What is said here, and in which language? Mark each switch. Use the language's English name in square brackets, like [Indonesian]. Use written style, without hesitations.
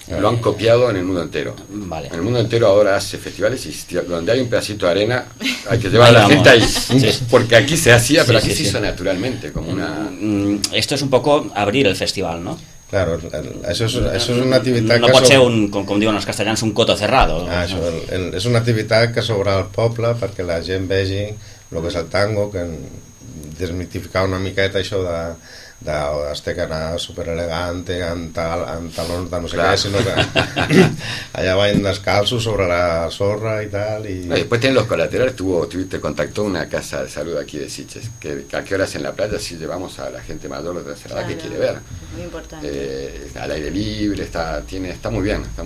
[Spanish] Lo han copiado en el mundo entero. Vale. En el mundo entero ahora hace festivales y donde hay un pedacito de arena hay que llevar a la gente ahí. Sí. Porque aquí se hacía, pero aquí se hizo naturalmente, como una. Esto es un poco abrir el festival, ¿no? Claro, eso es una actividad [Catalan] no que pot ser un, com diuen els castellans, un [Spanish] coto cerrado. [Catalan] Això, és una activitat que sobra al poble perquè la gent vegi lo que és el tango, que desmitificar una miqueta això de estar que anar super elegant amb talons de no sé què, sinó que allà van descalços sobre la sorra i tal. [Spanish] No, después tienen los colaterales, tuviste contacto una casa de salud aquí de Sitges, que a qué horas en la playa si llevamos a la gente mayor de la edad, claro, que quiere ver. Muy importante. Al aire libre, está muy bien.